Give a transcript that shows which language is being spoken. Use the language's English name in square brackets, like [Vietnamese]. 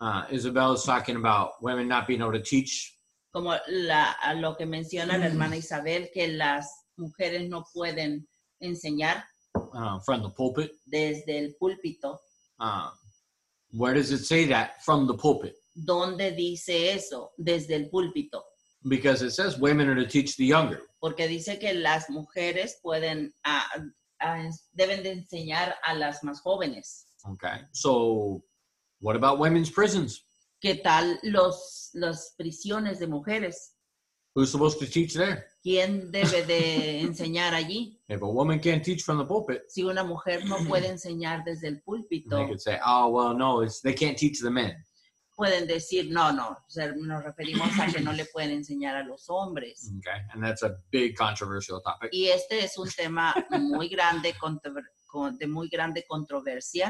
[English] Isabel is talking about women not being able to teach, [Spanish] como lo que menciona la hermana Isabel, que las mujeres no pueden enseñar, [English] from the pulpit, [Spanish] desde el púlpito. [English] Where does it say that? From the pulpit. [Spanish] ¿Dónde dice eso? Desde el púlpito. [English] Because it says women are to teach the younger. [Spanish] Porque dice que las mujeres pueden deben de enseñar a las más jóvenes. [English] Okay. So what about women's prisons? [Spanish] ¿Qué tal las prisiones de mujeres? [English] Who's supposed to teach there? [Spanish] ¿Quién debe de enseñar allí? [English] If a woman can't teach from the pulpit. [Spanish] Si una mujer no puede enseñar desde el púlpito. [English] They could say, oh, well, no, they can't teach the men. [Spanish] Pueden decir, no, nos referimos a que no le pueden enseñar a los hombres. [English] Okay, and that's a big controversial topic. [Spanish] Y este es un tema muy grande, de muy grande controversia.